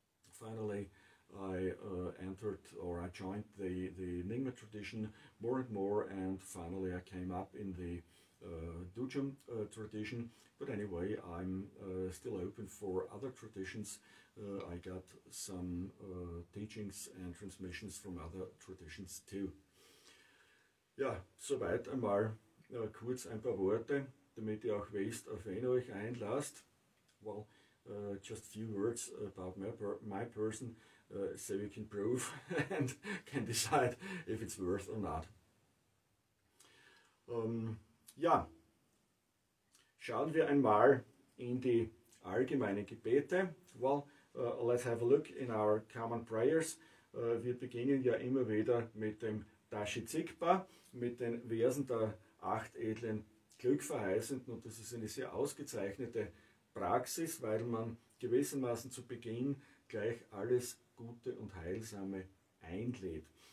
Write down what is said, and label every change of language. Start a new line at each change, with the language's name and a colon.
English: Finally, I entered or I joined the Nyingma tradition more and more, and finally I came up in the Duchum tradition. But anyway, I'm still open for other traditions. I got some teachings and transmissions from other traditions too.
German: Ja, soweit einmal kurz ein paar Worte, damit ihr auch wisst, auf wen ihr euch einlasst.
English: Well, just a few words about my person. So you can prove and can decide if it's worth or not.
German: Ja, schauen wir einmal in die allgemeinen Gebete.
English: Well, let's have a look in our common prayers.
German: Wir beginnen ja immer wieder mit dem Dashi Zigpa, mit den Versen der acht edlen Glückverheißenden. Und das ist eine sehr ausgezeichnete Praxis, weil man gewissermaßen zu Beginn gleich alles Gute und Heilsame einlädt.